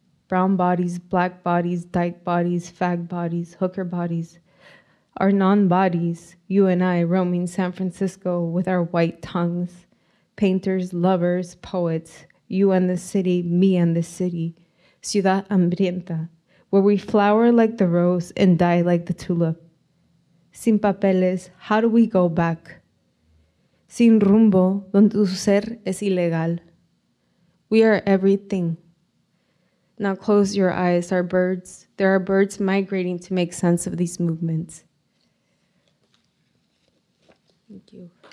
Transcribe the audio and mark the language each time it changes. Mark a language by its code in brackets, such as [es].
[en] Brown bodies, black bodies, dyke bodies, fag bodies, hooker bodies, our non-bodies, you and I roaming San Francisco with our white tongues, painters, lovers, poets, you and the city, me and the city, [es] ciudad hambrienta, [en] where we flower like the rose and die like the tulip. [es] Sin papeles, [en] how do we go back? [es] Sin rumbo, donde tu ser es ilegal. [en] We are everything. Now close your eyes, our birds. There are birds migrating to make sense of these movements. Thank you.